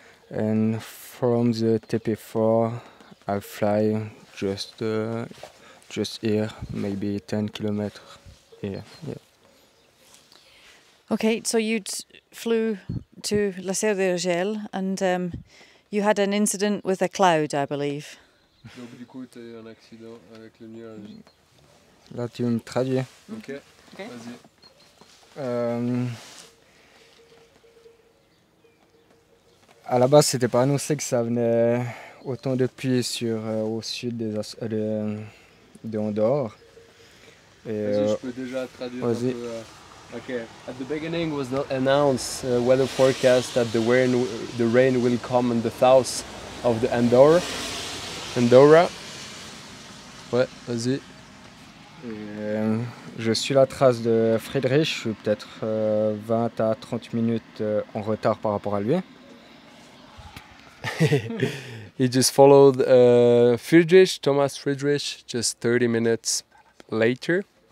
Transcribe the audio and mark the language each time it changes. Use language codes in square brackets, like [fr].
[en] And from the TP 4, I fly just here, maybe 10 kilometers here. Yeah. Okay, so you flew to La Serre de Urgel and you had an incident with a cloud, I believe. [fr] Donc du coup, t'as eu un accident avec le nuage. Là, tu me traduis. Ok, okay. Vas-y. À la base, c'était pas annoncé que ça venait autant de pluie sur au sud des de Andorre. Et, vas-y, je peux déjà traduire. Vas-y. Un peu, Okay. [en] At the beginning was not announced weather forecast that the rain will come in the south of the Andorra. [fr] Ouais, vas-y. Et, je suis la trace de Friedrich, je suis peut-être 20 à 30 minutes en retard par rapport à lui. [en] He just followed Thomas Friedrich, just 30 minutes later.